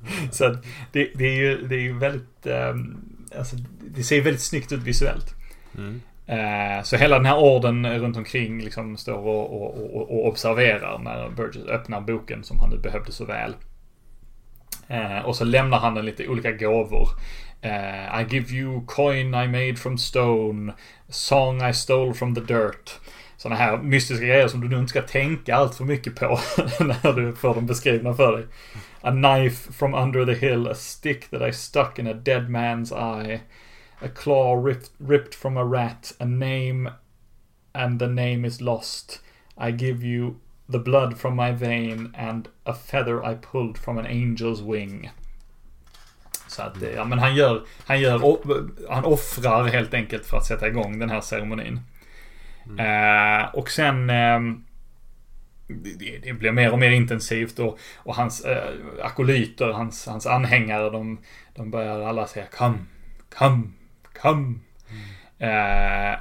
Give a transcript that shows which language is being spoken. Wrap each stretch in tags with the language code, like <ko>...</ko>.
<sv>Så det är ju väldigt, alltså det ser ju väldigt snyggt ut visuellt. Mm. Så hela den här orden runt omkring liksom står och observerar när Burgess öppnar boken som han nu behövde så väl. Och så lämnar han den lite olika gåvor.</sv> <en>I give you coin I made from stone, song I stole from the dirt.</en> <sv>Såna här mystiska grejer som du inte ska tänka allt för mycket på när du får dem beskrivna för dig.</sv> <en>A knife from under the hill, a stick that I stuck in a dead man's eye, a claw ripped from a rat, a name and the name is lost. I give you the blood from my vein and a feather I pulled from an angel's wing.</en> <sv>Så att, ja, men han offrar helt enkelt för att sätta igång den här ceremonin. Mm. Och sen det blir mer och mer intensivt och hans akolyter, hans anhängare, de börjar alla säga come. Mm.</sv>